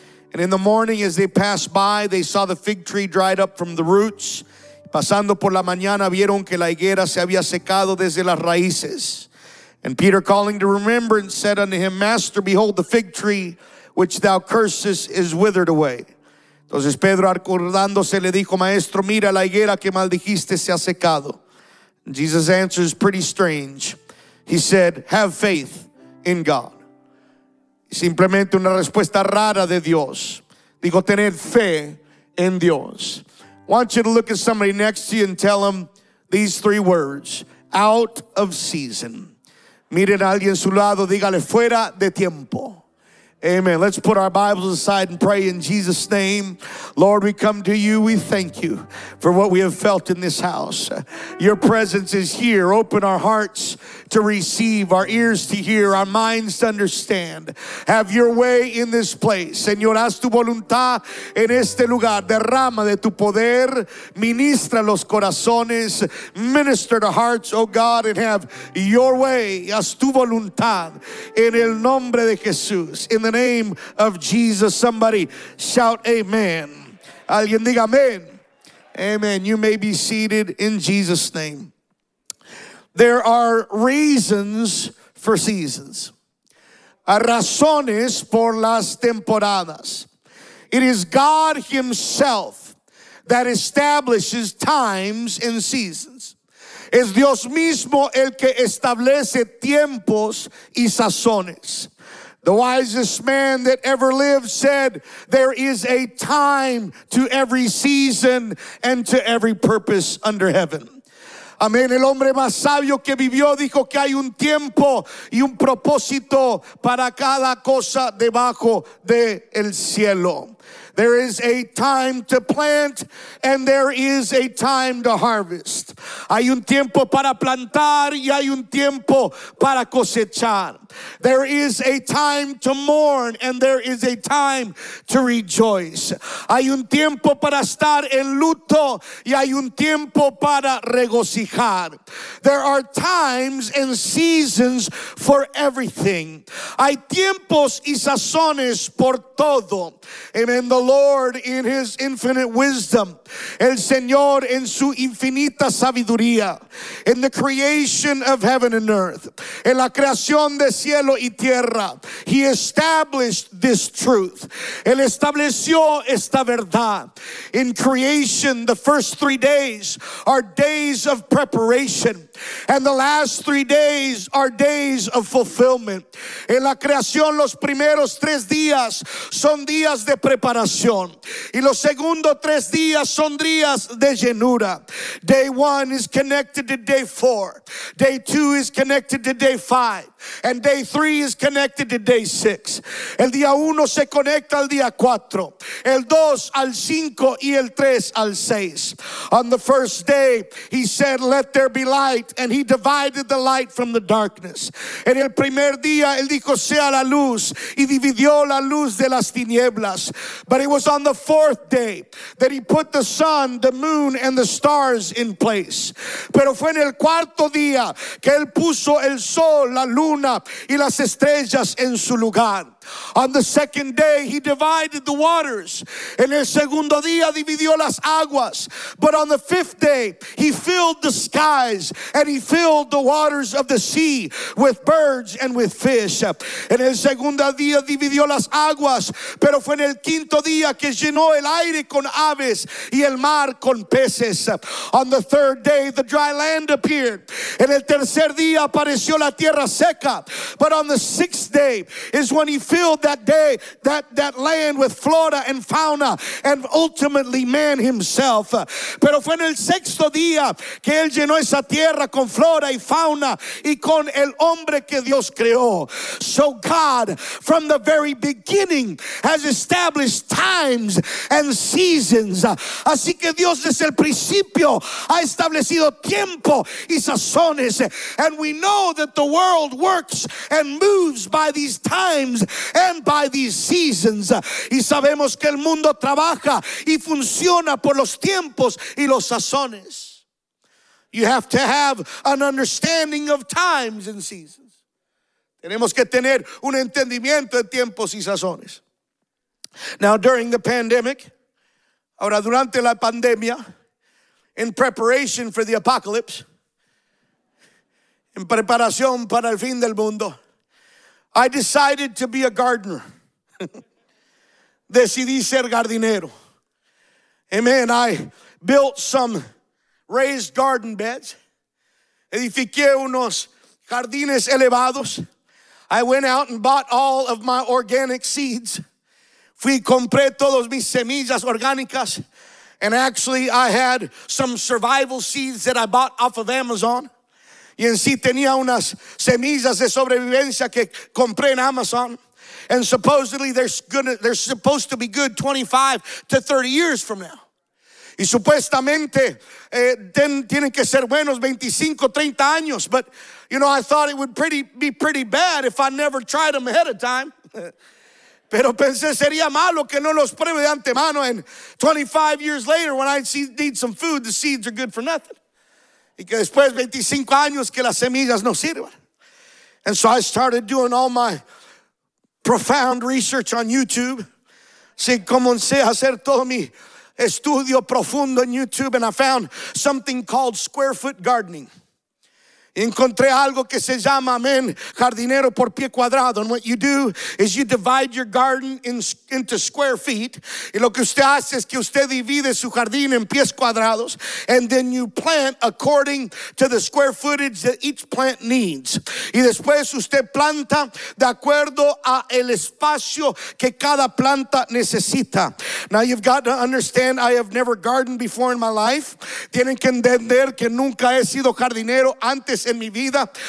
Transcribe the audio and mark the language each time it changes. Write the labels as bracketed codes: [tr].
[en] And in the morning as they passed by, they saw the fig tree dried up from the roots. [es] Pasando por la mañana, vieron que la higuera se había secado desde las raíces. [en] And Peter, calling to remembrance, said unto him, Master, behold, the fig tree which thou cursest is withered away. [es] Entonces Pedro, acordándose, le dijo, Maestro, mira, la higuera que maldijiste se ha secado. [en] And Jesus answers pretty strange. He said, have faith in God. [es] Simplemente una respuesta rara de Dios. Digo, tener fe en Dios. [en] I want you to look at somebody next to you and tell them these 3 words. Out of season. [es] Miren a alguien a su lado, dígale, fuera de tiempo. [en] Amen. Let's put our Bibles aside and pray in Jesus' name. Lord, we come to you. We thank you for what we have felt in this house. Your presence is here. Open our hearts to receive, our ears to hear, our minds to understand. Have your way in this place. [es] Señor, haz tu voluntad en este lugar. Derrama de tu poder. Ministra los corazones. [en] Minister to hearts, oh God, and have your way. [es] Haz tu voluntad en el nombre de Jesús. [en] In the name of Jesus, somebody shout amen. [es] Alguien diga amen. [en] Amen. You may be seated in Jesus' name. There are reasons for seasons. [es] Razones por las temporadas. [en] It is God himself that establishes times and seasons. [es] Es Dios mismo el que establece tiempos y sazones. [en] The wisest man that ever lived said, there is a time to every season and to every purpose under heaven. [es] Amén. El hombre más sabio que vivió dijo que hay un tiempo y un propósito para cada cosa debajo del cielo. [en] There is a time to plant and there is a time to harvest. [es] Hay un tiempo para plantar y hay un tiempo para cosechar. [en] There is a time to mourn and there is a time to rejoice. [es] Hay un tiempo para estar en luto y hay un tiempo para regocijar. [en] There are times and seasons for everything. [es] Hay tiempos y sazones por todo. Amen. [en] The Lord in his infinite wisdom, [es] el Señor en su infinita sabiduría, [en] in the creation of heaven and earth, [es] en la creación de cielo y tierra, [en] he established this truth. [es] Él estableció esta verdad. [en] In creation, the first 3 days are days of preparation. And the last 3 days are days of fulfillment. [es] En la creación, los primeros 3 días son días de preparación. Y los segundos 3 días son días de llenura. [en] Day 1 is connected to day 4. Day 2 is connected to day 5. And day 3 is connected to day 6. [es] El día 1 se conecta al día 4. El 2 al 5 y el 3 al 6. [en] On the first day, he said, let there be light. And he divided the light from the darkness. [es] En el primer día, él dijo, sea la luz. Y dividió la luz de las tinieblas. [en] But it was on the fourth day that he put the sun, the moon, and the stars in place. [es] Pero fue en el cuarto día que él puso el sol, la luna, y las estrellas en su lugar. [en] On the second day, he divided the waters. [es] En el segundo día, dividió las aguas. [en] But on the fifth day, he filled the skies and he filled the waters of the sea with birds and with fish. [es] En el segundo día, dividió las aguas. Pero fue en el quinto día que llenó el aire con aves y el mar con peces. [en] On the third day, the dry land appeared. [es] En el tercer día, apareció la tierra seca. [en] But on the sixth day is when he filled that day, that land with flora and fauna, and ultimately man himself. [es] Pero fue en el sexto día que él llenó esa tierra con flora y fauna y con el hombre que Dios creó. [en] So God, from the very beginning, has established times and seasons. [es] Así que Dios desde el principio ha establecido tiempo y sazones. [en] And we know that the world works and moves by these times and by these seasons. [es] Y sabemos que el mundo trabaja y funciona por los tiempos y los sazones. [en] You have to have an understanding of times and seasons. [es] Tenemos que tener un entendimiento de tiempos y sazones. [en] Now during the pandemic, [es] ahora durante la pandemia, [en] in preparation for the apocalypse, [es] en preparación para el fin del mundo, [en] I decided to be a gardener. [es] Decidí ser jardinero. Amen. [en] I built some raised garden beds. [es] Edifiqué unos jardines elevados. [en] I went out and bought all of my organic seeds. [es] Fui y compré todas mis semillas orgánicas. [en] And actually, I had some survival seeds that I bought off of Amazon. [es] Y en sí tenía unas semillas de sobrevivencia que compré en Amazon. [en] And supposedly they're supposed to be good 25 to 30 years from now. [es] Y supuestamente tienen que ser buenos 25, 30 años. [en] But, you know, I thought it would be pretty bad if I never tried them ahead of time. [es] Pero pensé sería malo que no los pruebe de antemano. [en] And 25 years later, when I need some food, the seeds are good for nothing. [es] Y que después 25 años que las semillas no sirvan. [en] And so I started doing all my profound research on YouTube. [es] Sí, comencé a hacer todo mi estudio profundo en YouTube, [en] and I found something called square foot gardening. [es] Encontré algo que se llama, amen, jardinero por pie cuadrado. [en] And what you do is you divide your garden into square feet. [es] Y lo que usted hace es que usted divide su jardín en pies cuadrados. [en] And then you plant according to the square footage that each plant needs. [es] Y después usted planta de acuerdo a el espacio que cada planta necesita. [en] Now you've got to understand, I have never gardened before in my life. [es] Tienen que entender que nunca he sido jardinero antes en mi vida.